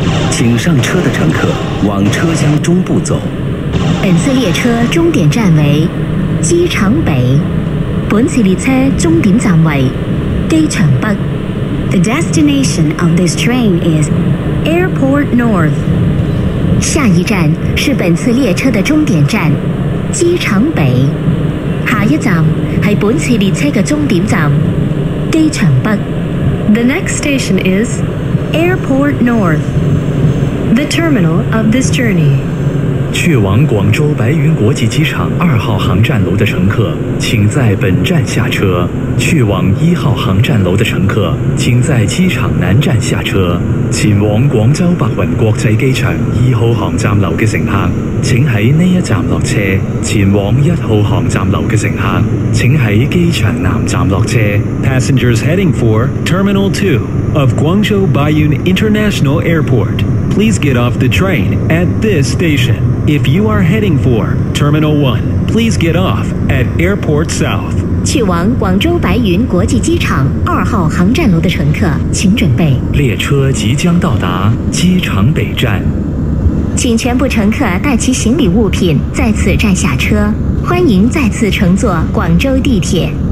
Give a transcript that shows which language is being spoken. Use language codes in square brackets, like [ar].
[zh] 请上车的乘客往车厢中部走。本次列车终点站为机场北。本次列车终点站为机场北。 [en] The destination of this train is Airport North. [zh] 下一站是本次列车的终点站机场北。下一站是本次列车的终点站机场北。 [en] The next station is Airport North. The terminal of this journey. [zh] 去往广州白云国际机场二号航站楼的乘客请在本站下车，去往一号航站楼的乘客请在机场南站下车，前往广州白云国际机场一号航站楼的乘客请在这一站落车，前往一号航站楼的乘客请在机场南站落车。 [en] Passengers heading for Terminal 2 of Guangzhou Baiyun International Airport, please get off the train at this station. If you are heading for Terminal 1, please get off at Airport South. [zh] 去往广州白云国际机场二号航站楼的乘客请准备，列车即将到达机场北站，请全部乘客带其行李物品在此站下车，欢迎再次乘坐广州地铁。